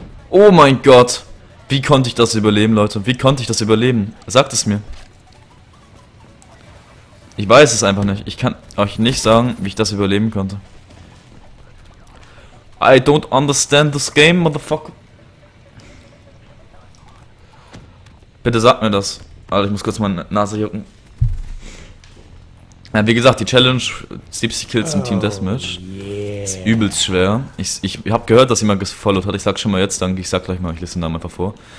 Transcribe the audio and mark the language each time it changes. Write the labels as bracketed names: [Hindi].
[German] Oh mein Gott! Wie konnte ich das überleben, Leute? Wie konnte ich das überleben? Sagt es mir. Ich weiß es einfach nicht. Ich kann euch nicht sagen, wie ich das überleben konnte. [English] I don't understand this game, motherfucker. [German] Bitte sagt mir das. Alter, ich muss kurz meine Nase jucken. Ja, wie gesagt, die Challenge 70 Kills im Team Deathmatch ist übelst schwer. Ich habe gehört, dass jemand gefollowt hat. Ich sag schon mal jetzt danke. Ich sag gleich mal, ich lese den Namen einfach vor.